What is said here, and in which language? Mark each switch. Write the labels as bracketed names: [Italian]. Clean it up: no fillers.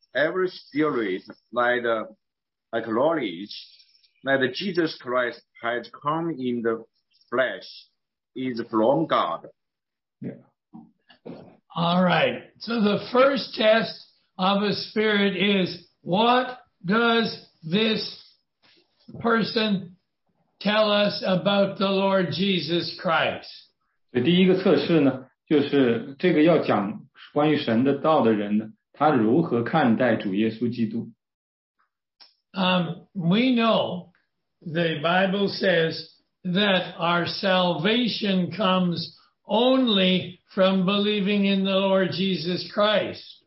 [English] Every spirit that acknowledges that Jesus Christ has come in the flesh is from God. Yeah. All right. So the first test of a spirit is what does this person tell us about the Lord Jesus Christ? [Chinese] 第一个测试呢，就是这个要讲关于神的道的人呢，他如何看待主耶稣基督。 [English] We know the Bible says that our salvation comes only from believing in the Lord Jesus Christ.